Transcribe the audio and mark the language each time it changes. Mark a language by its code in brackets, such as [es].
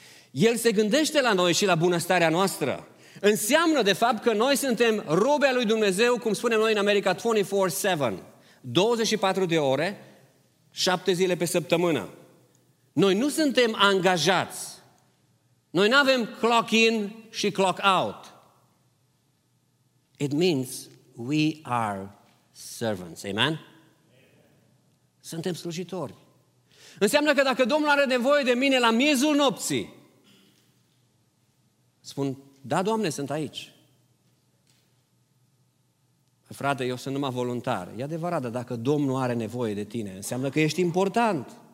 [ro] El se gândește la noi și la bunăstarea noastră. Înseamnă, de fapt, că noi suntem robe ale lui Dumnezeu, cum spunem noi în America, 24/7. 24 de ore, 7 zile pe săptămână. Noi nu suntem angajați. Noi nu avem clock in și clock out. [en] It means we are servants. [ro] Amen? Suntem slujitori. Înseamnă că dacă Domnul are nevoie de mine la miezul nopții, spun, da, Doamne, sunt aici. Frate, eu sunt numai voluntar. E adevărat, dar dacă Domnul are nevoie de tine, înseamnă că ești important.